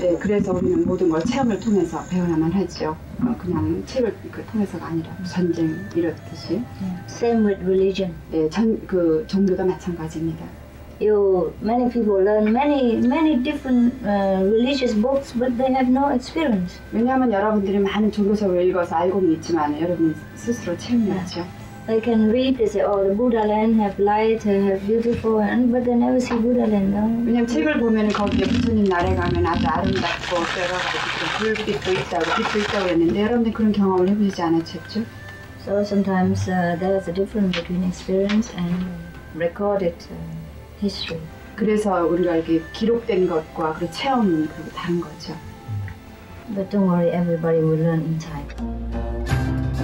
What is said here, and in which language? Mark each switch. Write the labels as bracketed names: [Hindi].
[Korean] 네, 그래서 우리는 모든 걸 체험을 통해서 배워야만 하지요. 그냥 책을 그 통해서가 아니라 전쟁 이렇듯이. [English] Same with religion. [Korean] 네, 전 그 종교가 마찬가지입니다. [English] You many people learn many different religious books, but they have no experience. [Korean] 왜냐하면 여러분들이 많은 종교서를 읽어서 알고는 있지만 여러분 스스로 체험이 없죠. [English] They can read, they say, oh, the Buddha land have light, have beautiful, and but they never see Buddha land. No? [Korean] 왜냐면 책을 보면 거기에 부처님 나라에 가면 아주 아름답고 여러 가지 불빛도 있다고 빛도 있다고 했는데 여러분들 그런 경험을 해보시지 않으셨죠? [English] So sometimes there's a difference between experience and recorded. History. [Korean] 그래서 우리가 이렇게 기록된 것과 그 체험은 그리고 다른 거죠. [English] But don't worry, everybody will learn in time.